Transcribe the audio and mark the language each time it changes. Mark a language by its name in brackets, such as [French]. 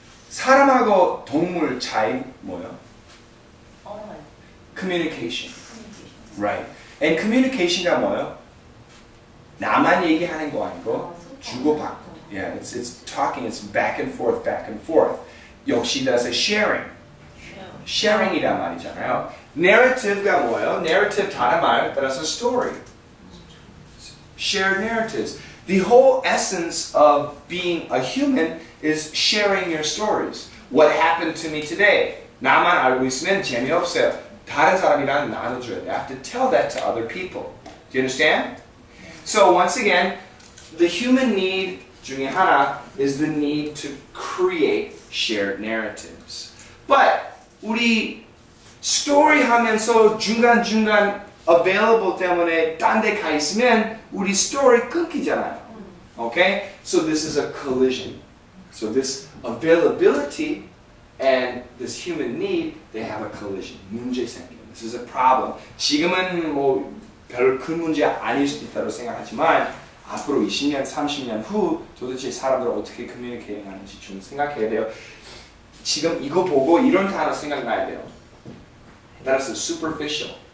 [Korean] 사람하고 동물 차이 뭐예요? [English] Communication. Right. And communication가 [Korean] 뭐예요? 나만 얘기하는 거 아니고 주고받고. [English] Yeah, it's talking, it's back and forth, back and forth. [Korean] 역시 [English] that's a sharing. [Korean] Sharing이란 말이잖아요. [English] Narrative가 뭐예요? Narrative [Korean] 다른 말, [English] but that's a story. Shared narratives. The whole essence of being a human is sharing your stories. What happened to me today? [Korean] 나만 알고 있으면 재미없어요. 다른 사람이랑 나눠줘야 돼. [English] I have to tell that to other people. Do you understand? So once again, the human need [Korean] 중에 하나 [English] is the need to create shared narratives. [Korean] But 우리 story 하면서 중간중간 available 때문에 딴 데 가 있으면 우리 story 끊기잖아요. Okay? [English] So this is a collision. So this availability and this human need, they have a collision. [Korean] 문제 생기는. [English] This is a problem. [Korean] 지금은 뭐 별 큰 문제 아닐 수도 있다고 생각하지만 앞으로 20년, 30년 후 도대체 사람들 어떻게 커뮤니케이팅 하는지 좀 생각해야 돼요. 지금 이거 보고 이런 단어 생각나야 돼요. [English] That is superficial.